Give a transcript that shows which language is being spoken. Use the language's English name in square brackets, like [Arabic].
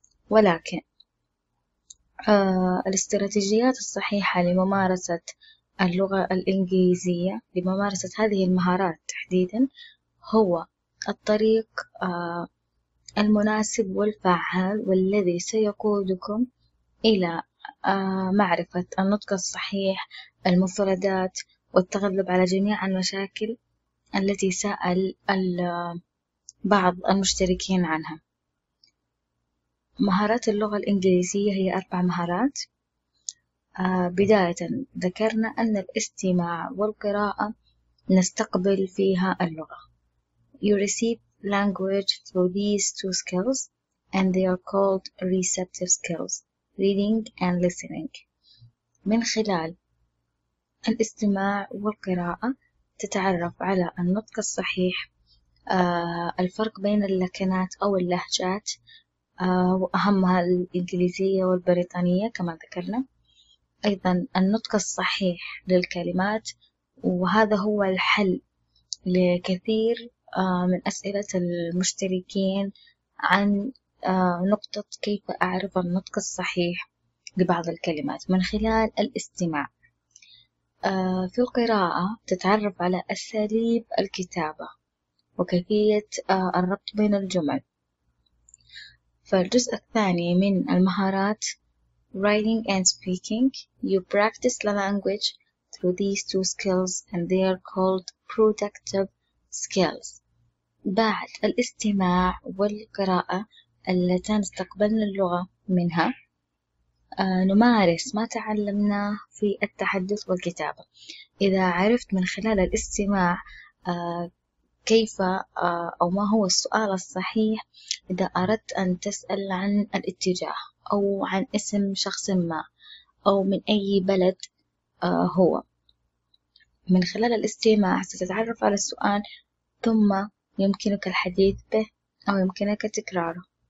[Arabic] ولكن الاستراتيجيات الصحيحة لممارسة اللغة الإنجليزية، لممارسة هذه المهارات تحديدا، هو الطريق المناسب والفعال والذي سيقودكم إلى معرفة النطق الصحيح، المفردات، والتغلب على جميع المشاكل التي سأل بعض المشتركين عنها. مهارات اللغة الإنجليزية هي 4 مهارات. بداية ذكرنا أن الاستماع والقراءة نستقبل فيها اللغة. [English] You receive language through these 2 skills and they are called receptive skills, reading and listening. [Arabic] من خلال الاستماع والقراءة تتعرف على النطق الصحيح، الفرق بين اللكنات أو اللهجات، وأهمها الإنجليزية والبريطانية كما ذكرنا. أيضا النطق الصحيح للكلمات، وهذا هو الحل لكثير من أسئلة المشتركين عن نقطة كيف أعرف النطق الصحيح لبعض الكلمات من خلال الاستماع. في القراءة تتعرف على أساليب الكتابة وكيفية الربط بين الجمل. فالجزء الثاني من المهارات [English] Writing and Speaking. You practice the language through these 2 skills and they are called productive skills. [Arabic] بعد الاستماع والقراءة اللتان استقبلنا اللغة منها، نمارس ما تعلمناه في التحدث والكتابة. إذا عرفت من خلال الاستماع كيف أو ما هو السؤال الصحيح إذا أردت أن تسأل عن الاتجاه أو عن اسم شخص ما أو من أي بلد هو، من خلال الاستماع ستتعرف على السؤال ثم يمكنك الحديث به أو يمكنك تكراره.